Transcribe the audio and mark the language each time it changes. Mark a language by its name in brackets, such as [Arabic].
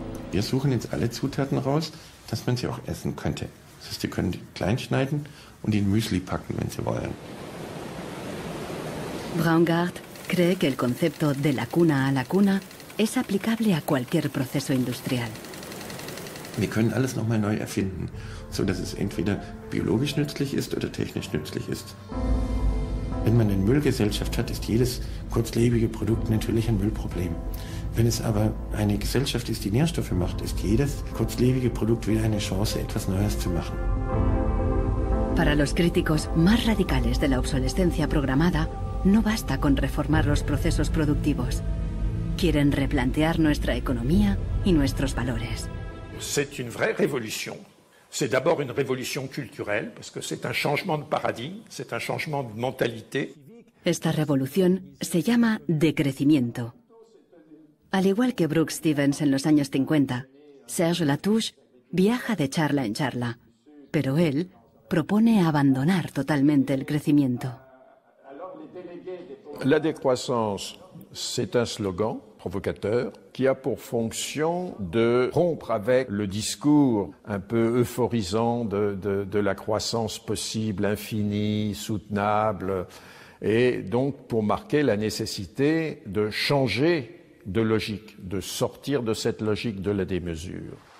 [German] Wir suchen jetzt alle Zutaten raus, dass man sie auch essen könnte. Das heißt, sie können die klein schneiden und in Müsli packen, wenn sie wollen. [Spanish] Braungart cree que el concepto de la cuna a la cuna es aplicable a cualquier proceso industrial. [German] Wir können alles nochmal neu erfinden, sodass es entweder biologisch nützlich ist oder technisch nützlich ist. Wenn man eine Müllgesellschaft hat, ist jedes kurzlebige Produkt natürlich ein Müllproblem. Wenn es aber eine Gesellschaft ist, die Nährstoffe macht, ist jedes kurzlebige Produkt wieder eine Chance, etwas Neues zu machen. [Spanish] Para los críticos más radicales de la obsolescencia programada, no basta con reformar los procesos productivos. Quieren replantear nuestra economía y nuestros valores. [French] C'est une vraie révolution. C'est d'abord une révolution culturelle, parce que c'est un changement de paradigme, c'est un changement de mentalité. [Spanish] Esta revolución se llama decrecimiento. Al igual que Brooke Stevens en los años 50, Serge Latouche viaja de charla en charla, pero él propone abandonar totalmente el crecimiento. [French] La décroissance, c'est un slogan provocateur qui a pour fonction de rompre avec le discours un peu euphorisant de la croissance possible, infinie, soutenable, et donc pour marquer la nécessité de changer de logique, de sortir de cette logique de la démesure.